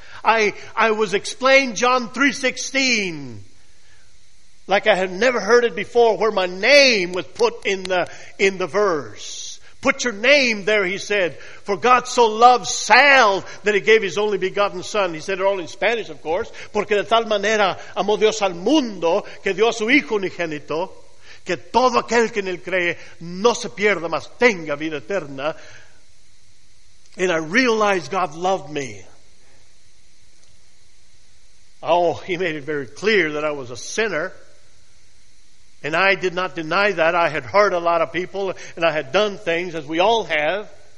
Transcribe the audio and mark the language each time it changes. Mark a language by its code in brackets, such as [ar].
[en] I was explained John 3:16 like I had never heard it before, where my name was put in the verse. Put your name there, he said. For God so loved Sal that he gave his only begotten son. He said it all in Spanish, of course. [es] Porque de tal manera amó Dios al mundo que dio a su hijo unigénito, que todo aquel que en él cree no se pierda, mas tenga vida eterna. [en] And I realized God loved me. Oh, he made it very clear that I was a sinner. And I did not deny that. I had hurt a lot of people, and I had done things, as we all have.